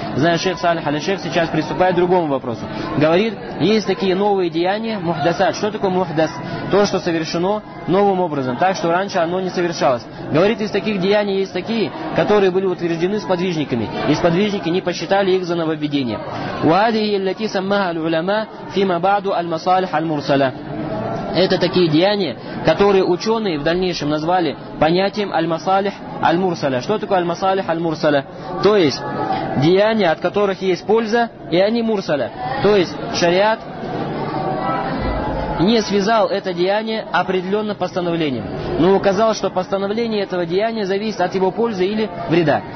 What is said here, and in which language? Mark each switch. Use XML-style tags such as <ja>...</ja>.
<ru>Знаешь, шейх Салих Аль-Шейх сейчас приступает к другому вопросу. Говорит, есть такие новые деяния, мухдасат. Что такое мухдас? То, что совершено новым образом, так что раньше оно не совершалось. Говорит, из таких деяний есть такие, которые были утверждены сподвижниками, и сподвижники не посчитали их за нововведение.</ru> <ar>وهذه التي سماها العلماء فيما بعد المصالح المرسلة.</ar> <ru>Это такие деяния, которые ученые в дальнейшем назвали понятием аль-масалих аль-мурсаля. Что такое аль-масалих аль-мурсаля? То есть деяния, от которых есть польза, и они мурсаля. То есть шариат не связал это деяние определенным постановлением, но указал, что постановление этого деяния зависит от его пользы или вреда.</ru>